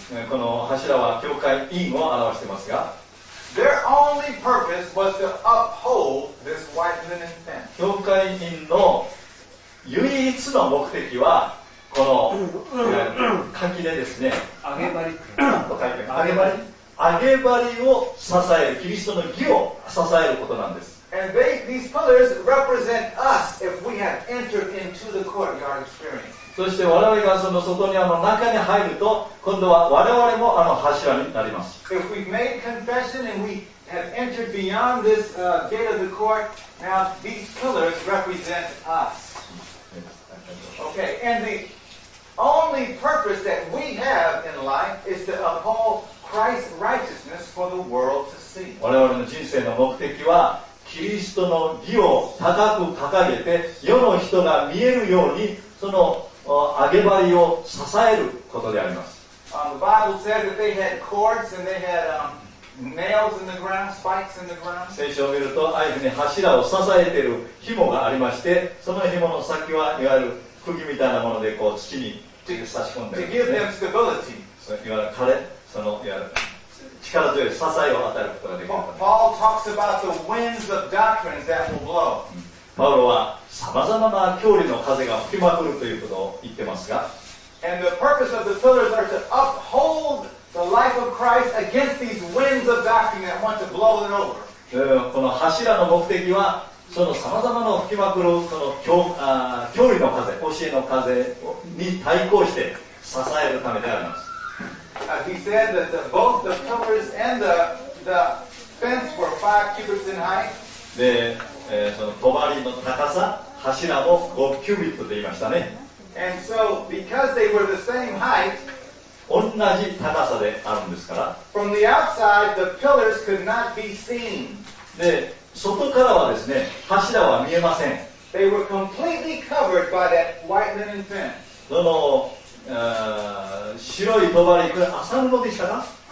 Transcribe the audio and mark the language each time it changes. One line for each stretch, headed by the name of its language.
Japanese: この柱は教会員を表していますが、
English: their only purpose was to uphold this white linen fence.
Japanese: 教会員の唯一の目的はこの垣根ですね。揚げ張りと書いてある。揚げ張り。揚げ張りを支える、キリストの義を支えることなんです。
English: And these pillars represent us if we have entered into the courtyard experience.
Japanese: そして我々がその外にあの中に入ると、今度は我々もあの柱になります。
English: If we've made confession and we have entered beyond this gate of the court, now these pillars represent us. Okay, and the only purpose that we have in life is to uphold Christ's righteousness for the world to see.
Japanese: 我々の人生の目的はキリストの義を高く掲げて世の人が見えるようにその揚げ張りを支えることであります。
English: The Bible said that they had cords and they had nails in the ground, spikes in the ground.
Japanese: 聖書を見るとああいうふうに柱を支えている紐がありまして、その紐の先はいわゆる釘みたいなものでこう土に差し込んでいるんですね。
English: To give them stability.
Japanese: そのいわゆる力強い支えを与えることができる。
English: Paul talks about the winds of doctrines that will blow.
Japanese: パウロはさまざまな教理の風が吹きまくるということを言ってますが。
English: And the purpose of the pillars are to uphold the life of Christ against these winds of doctrine that want to blow it over.
Japanese: この柱の目的は。そのさまざまな吹きまくるその教理の風、教えの風に対抗して支えるためであります。
English: He said that both the pillars and the fence were 5 cubits in height.
Japanese: で、その帳の高さ、柱も5キュビットと言いましたね。
English: And so, because they were the same height,
Japanese: 同じ高さであるんですから、
English: from the outside, the pillars could not be seen.
Japanese: で外からはですね、柱は見えません。
English: They were completely covered by that white linen fence.
Japanese: その白い帳、これ麻布でしたか？